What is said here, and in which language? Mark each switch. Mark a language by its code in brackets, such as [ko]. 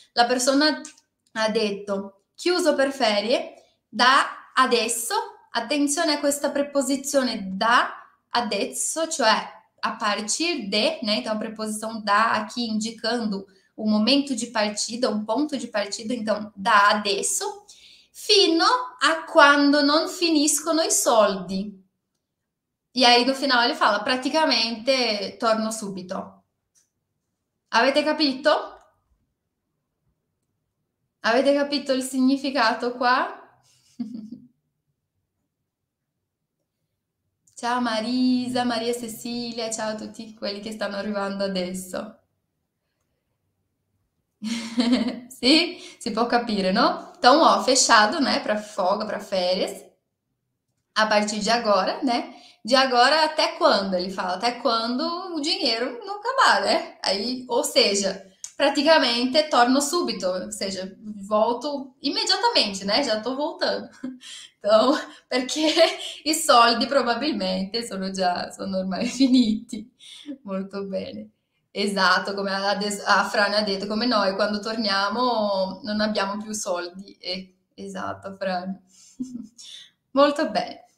[it] La persona ha detto chiuso per ferie da adesso, attenzione a questa preposizione da adesso, cioè [pt] a partir de, né? Então, [it] a preposizione da [pt] aqui indicando [it] un momento di partida, un punto di partida, [pt] então [it] da adesso, fino a quando non finiscono i soldi. [pt] E aí, no final ele fala: praticamente torno subito. [it] Avete capito? Avete capito il significato qua? Ciao Marisa, Maria Cecilia, ciao a tutti quelli che stanno arrivando adesso. Sì, si può capire, no? [pt] Então, ó, fechado, né? Para folga, para férias. A partir de agora, né? De agora até quando? Ele fala, até quando o dinheiro não acabar, né? Aí, ou seja, praticamente [it] torno subito, [pt] ou seja, volto imediatamente, né? Já tô voltando. Então, [it] perché i soldi probabilmente sono ormai finiti. Molto bene. Esatto, come a Fran ha detto, come noi, quando torniamo non abbiamo più soldi. Esatto, Fran. Molto bene.